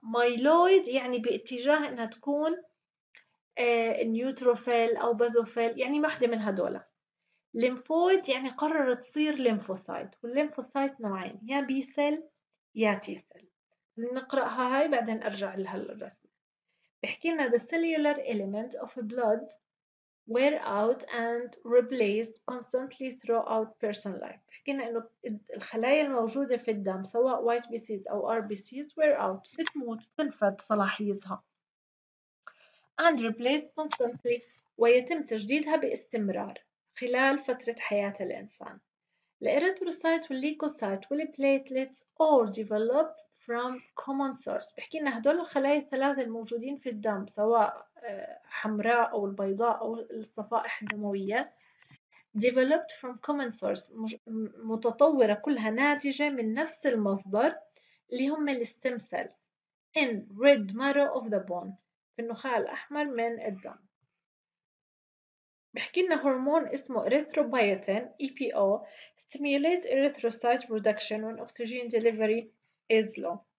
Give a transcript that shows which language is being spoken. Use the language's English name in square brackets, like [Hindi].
[Arabic] مايلويد يعني باتجاه انها تكون نيوتروفيل او بازوفيل، يعني واحدة من هدول. ليمفويد يعني قررت تصير ليمفوسايت، والليمفوسايت نوعين، يا بي سيل يا تي سيل. نقرأها هاي بعدين ارجع لها الرسم. بحكي لنا [English] the cellular element of blood wear out and replaced constantly throughout person life. [Arabic] حكينا إنه الخلايا الموجودة في الدم سواء white blood أو RBCs [English] wear out [Arabic] بتموت بتنفد صلاحيتها [English] and replaced constantly [Arabic] ويتم تجديدها باستمرار خلال فترة حياة الإنسان. [English] الإريثروسايت والليكوسايت والبليتلتس all develop from common source. [Arabic] بحكينا هدول الخلايا الثلاثة الموجودين في الدم سواء حمراء أو البيضاء أو الصفائح الدموية [English] developed from common source [Arabic] متطورة كلها ناتجة من نفس المصدر اللي هم الستيم سيلز [English] in red marrow of the bone [Arabic] في النخاع الأحمر من الدم. بحكي لنا هرمون اسمه [English] Erythropoietin EPO stimulate erythrocyte production when oxygen delivery is low.